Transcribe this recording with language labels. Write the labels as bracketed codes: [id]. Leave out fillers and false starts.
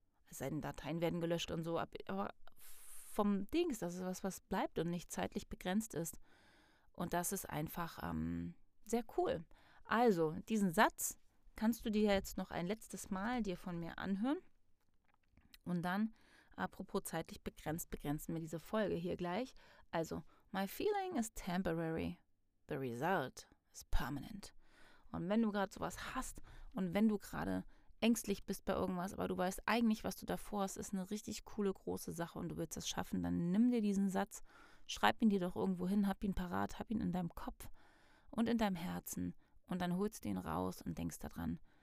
[de] Seine Dateien werden gelöscht und so, aber vom Dings, das ist was, was bleibt und nicht zeitlich begrenzt ist. Und das ist einfach sehr cool. Also, diesen Satz kannst du dir jetzt noch ein letztes Mal dir von mir anhören. Und dann, apropos zeitlich begrenzt, begrenzen wir diese Folge hier gleich. [en] Also, my feeling is temporary, the result is permanent. [de] Und wenn du gerade sowas hast und wenn du gerade ängstlich bist bei irgendwas, aber du weißt eigentlich, was du davor hast, ist eine richtig coole, große Sache und du willst das schaffen, dann nimm dir diesen Satz. Schreib ihn dir doch irgendwo hin, hab ihn parat, hab ihn in deinem Kopf und in deinem Herzen und dann holst du ihn raus und denkst daran.